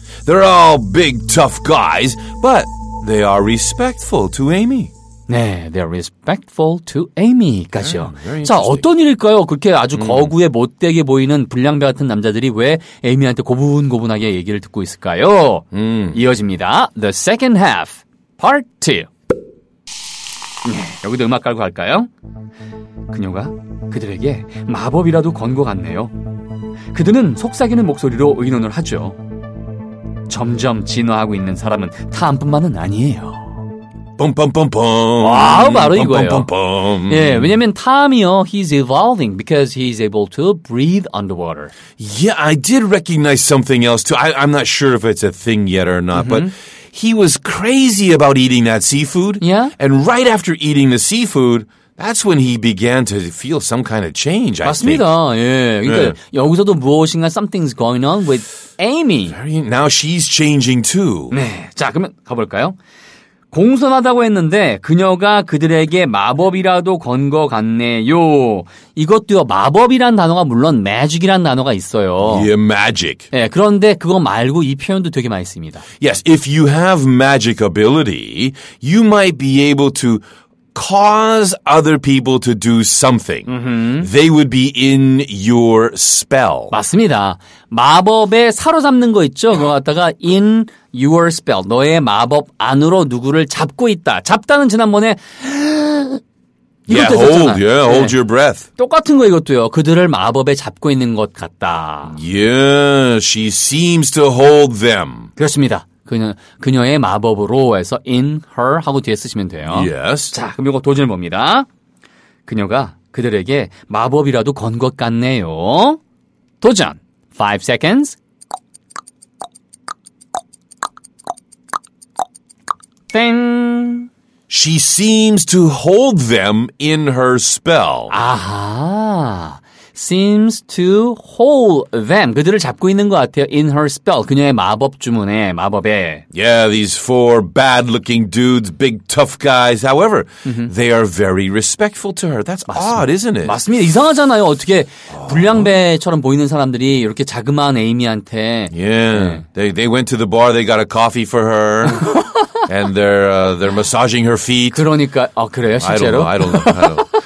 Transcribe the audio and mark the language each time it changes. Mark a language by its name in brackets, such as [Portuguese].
[English] They're all big, tough guys, but they are respectful to Amy. [Korean] 네, [English] they're respectful to Amy. [Korean] 가죠. 자, 어떤 일일까요? 그렇게 아주 거구에 못되게 보이는 불량배 같은 남자들이 왜 에이미한테 고분고분하게 얘기를 듣고 있을까요? 이어집니다. [English] The second half, part 2. [Korean] 네, 여기도 음악 깔고 갈까요? 그녀가 그들에게 마법이라도 건 것 같네요. 그들은 속삭이는 목소리로 의논을 하죠. 점점 진화하고 있는 사람은 탐뿐만은 아니에요. 뿜뿜뿜뿜. 와, 바로 이거예요. 뿜뿜뿜. 예, 왜냐면 탐이요. [English] He's evolving because he's able to breathe underwater. Yeah, I did recognize something else too. I'm not sure if it's a thing yet or not, but he was crazy about eating that seafood. Yeah. And right after eating the seafood, that's when he began to feel some kind of change, I [Korean] 맞습니다. 맞습니다. 예. 그러니까 예. 여기서도 무엇인가 [English] something's going on with Amy. Very, now she's changing too. [Korean] 네. 자, 그러면 가볼까요? 공손하다고 했는데 그녀가 그들에게 마법이라도 건 거 같네요. 이것도요. 마법이란 단어가 물론 magic이란 단어가 있어요. [English] Yeah, magic. [Korean] 예, 그런데 그거 말고 이 표현도 되게 많이 씁니다. [English] Yes, if you have magic ability, you might be able to cause other people to do something. Mm-hmm. They would be in your spell. [Korean] 맞습니다. 마법에 사로잡는 거 있죠? 그거 갖다가 [English] in your spell. [Korean] 너의 마법 안으로 누구를 잡고 있다. 잡다는 지난번에 [English] Yeah, hold, yeah, hold your breath. [Korean] 똑같은 거 이것도요. 그들을 마법에 잡고 있는 것 같다. [English] Yeah, she seems to hold them. [Korean] 그렇습니다. 그녀의 마법으로 해서 in her 하고 뒤에 쓰시면 돼요. [English] Yes. [Korean] 자, 그럼 이거 도전을 봅니다. 그녀가 그들에게 마법이라도 건 것 같네요. 도전. 5 seconds. [English] Ding. She seems to hold them in her spell. 아하. Seems to hold them. [Korean] 그들을 잡고 있는 것 같아요. [English] In her spell. [Korean] 그녀의 마법 주문에, 마법에. [English] Yeah, these four bad-looking dudes, big tough guys. However, mm-hmm. they are very respectful to her. That's [Korean] 맞습니다. [English] odd, isn't it? [Korean] 맞습니다. 이상하잖아요. 어떻게 불량배처럼 보이는 사람들이 이렇게 자그마한 에이미한테. [English] Yeah. 네. They went to the bar. They got a coffee for her. and they're massaging her feet. [Korean] 그러니까. 아, 그래요? 실제로? [English] I don't know.